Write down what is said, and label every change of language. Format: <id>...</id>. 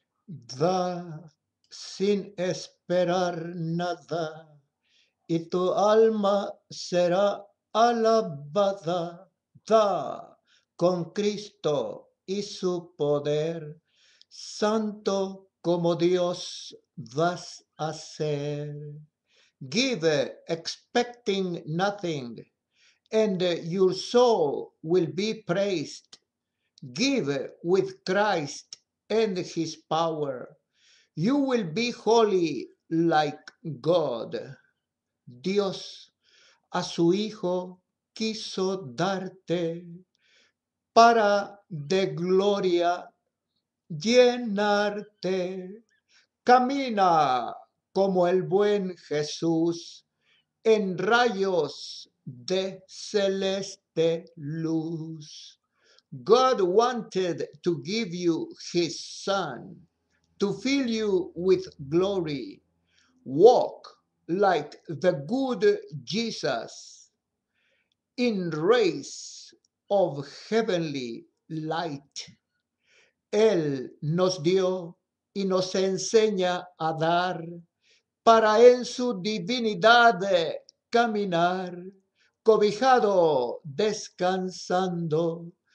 <es>Da sin esperar nada y tu alma será alabada. Da con Cristo y su poder, santo como Dios vas a ser.</es> <en>Give expecting nothing, and your soul will be praised. Give with Christ and his power. You will be holy like God.</en> <es>Dios a su Hijo quiso darte para de gloria llenarte. Camina como el buen Jesús en rayos de celeste luz.</es> <en>God wanted to give you his son, to fill you with glory. Walk like the good Jesus in rays of heavenly light.</en> <es>Él nos dio y nos enseña a dar para en su divinidad caminar, cobijado, descansando.</es>